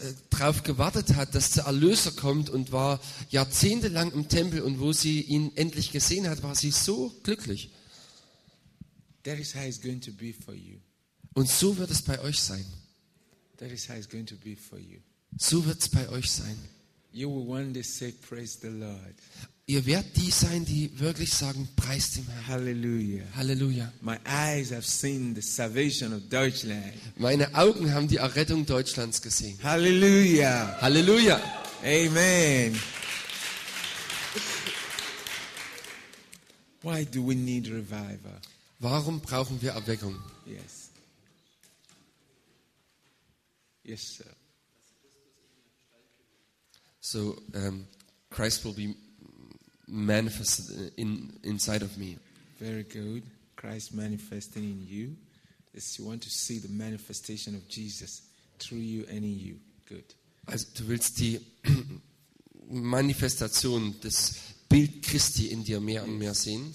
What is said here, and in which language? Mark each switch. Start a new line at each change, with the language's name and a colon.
German: Darauf gewartet hat, dass der Erlöser kommt und war jahrzehntelang im Tempel und wo sie ihn endlich gesehen hat, war sie so glücklich.
English: That is how it's going to be for you.
German: Und so wird es bei euch sein.
English: That is how it's going to be for you.
German: So wird es bei euch sein.
English: You will one day say, praise the Lord.
German: Ihr werdet die sein, die wirklich sagen, preist dem Herrn. Halleluja. Halleluja.
English: My eyes have seen the salvation of Deutschland.
German: Meine Augen haben die Errettung Deutschlands gesehen. Halleluja. Halleluja. Amen.
English: Why do we need revival?
German: Warum brauchen wir Erweckung?
English: Yes. Yes, sir. So, Christ will be manifested inside of me. Very good. Christ manifesting in you. It's you want to see the manifestation of Jesus through you and in you. Good.
German: Also, du willst die Manifestation des Bild Christi in dir mehr und mehr sehen.